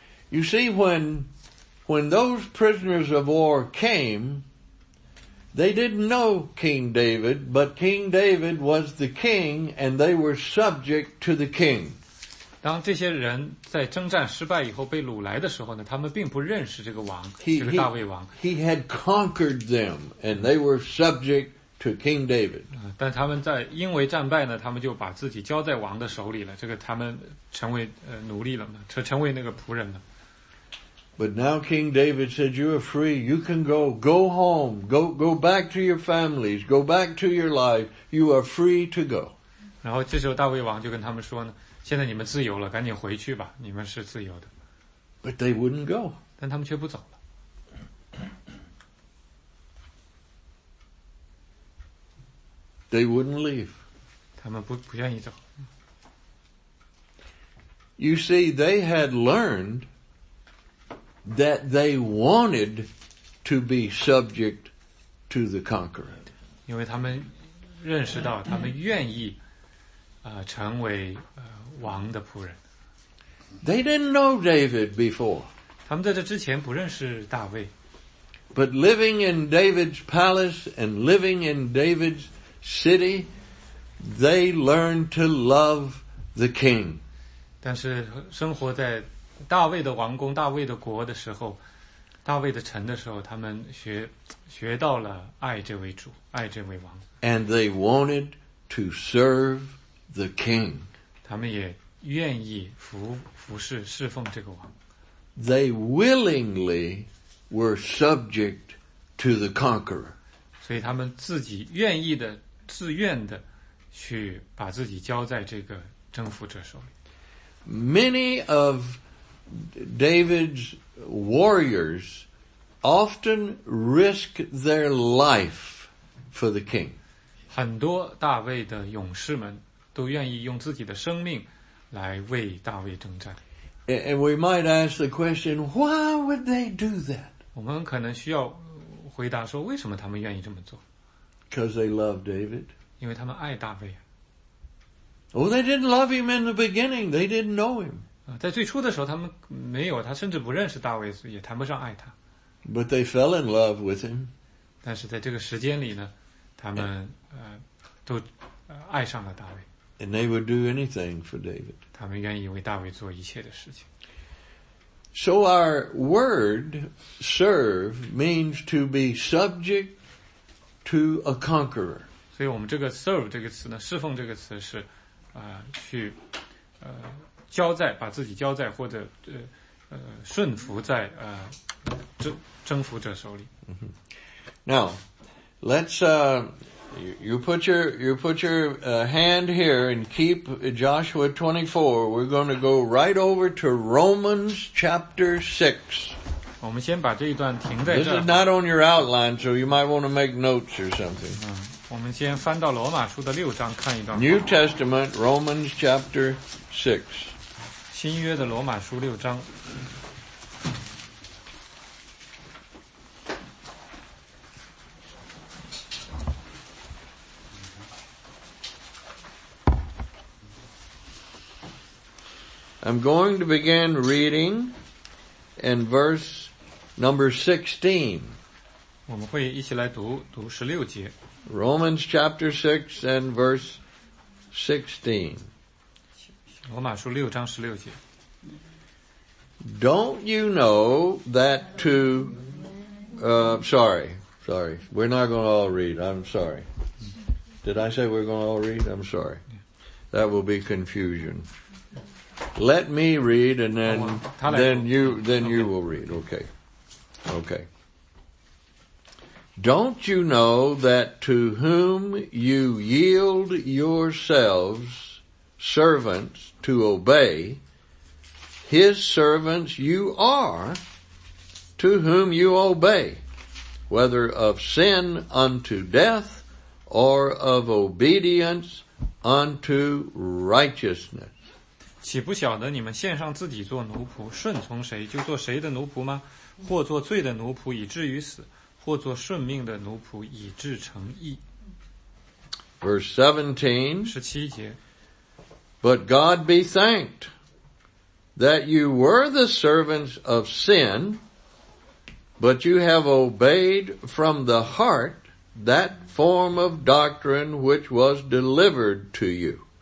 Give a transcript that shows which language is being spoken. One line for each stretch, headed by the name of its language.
English: You see, when those prisoners of war came, they didn't know King David, but King David was the king, and they were subject to the king.
Chinese: 当这些人在征战失败以后被掳来的时候呢，他们并不认识这个王，是个大卫王。
English: He had conquered them, and they were subject to King David.
Chinese: 但他们在因为战败呢，他们就把自己交在王的手里了。这个他们成为奴隶了嘛，成为那个仆人了。
English: But now King David said, "You are free. You can go. Go home. Go back to your families. Go back to your life. You are free to go."
Chinese: 然后这时候大卫王就跟他们说呢，现在你们自由了，赶紧回去吧，你们是自由的。
English: But they wouldn't go.
Chinese: 但他们却不走了。
English: They wouldn't leave.
Chinese: 他们不愿意走。
English: You see, they had learned that they wanted to be subject to the conqueror.
Chinese: 因为他们认识到他们愿意成为王的仆人。
English: They didn't know David before.
Chinese: 他们在这之前不认识大卫。
English: But living in David's palace and living in David's city, they learned to love the king.
Chinese: 但是生活在大卫的王宫、大卫的国的时候、大卫的城的时候，他们学到了爱这位主、爱这位王。
English: And they wanted to serve the king.
Chinese: 他们也愿意服侍、侍奉这个王。
English: They willingly were subject to the conqueror.
Chinese: 所以他们自己愿意的自愿的去把自己交在这个征服者手里。
English: Many of David's warriors often risk their life for the king.
Chinese: 很多大卫的勇士们都愿意用自己的生命来为大卫征战。
English: And we might ask the question, why would they do that?
Chinese: 我们可能需要回答说，为什么他们愿意这么做？
English: Because they love David.
Chinese: 因为他们爱大卫。
English: Oh, they didn't love him in the beginning. They didn't know him.
Chinese: 在最初的时候，他们没有他，甚至不认识大卫，也谈不上爱他。
English: But they fell in love with him.
Chinese: 但是在这个时间里呢，他们都爱上了大卫。
English: And they would do anything for David.
Chinese: 他们愿意为大卫做一切的事情。
English: So our word "serve" means to be subject to a conqueror.
Chinese: 所以我们这个 serve 这个词呢，侍奉这个词是去交在，把自己交在，或者顺服在征服者手里。
English: Now, let's you put your hand here and keep Joshua 24. We're going to go right over to Romans chapter 6.
Chinese: 我们先把这一段停在这儿。
English: This is not on your outline, so you might want to make notes or something.
Chinese: 我们先翻到罗马书的六章看一段。
English: New Testament, Romans chapter 6.
Chinese: 新约的罗马书六章。
English: I'm going to begin reading in verse number 16.
Chinese: 我们会一起来读十六节。
English: Romans chapter 6 and verse 16.
Chinese: 罗马书六章十六节。
English: Don't you know that to, sorry, we're not going to all read, I'm sorry. Did I say we're going to all read? I'm sorry. That will be confusion. Let me read and then you will read, okay. Okay. Don't you know that to whom you yield yourselves servants to obey, his servants you are to whom you obey, whether of sin unto death or of obedience unto righteousness?
Chinese: 岂不晓得你们献上自己做奴仆，顺从谁就做谁的奴仆吗？或做罪的奴仆以至于死，或做顺命的奴仆以至成义。
English: Verse 17. But God be thanked that you were the servants of sin, but you have obeyed from the heart that form of doctrine which was delivered to you.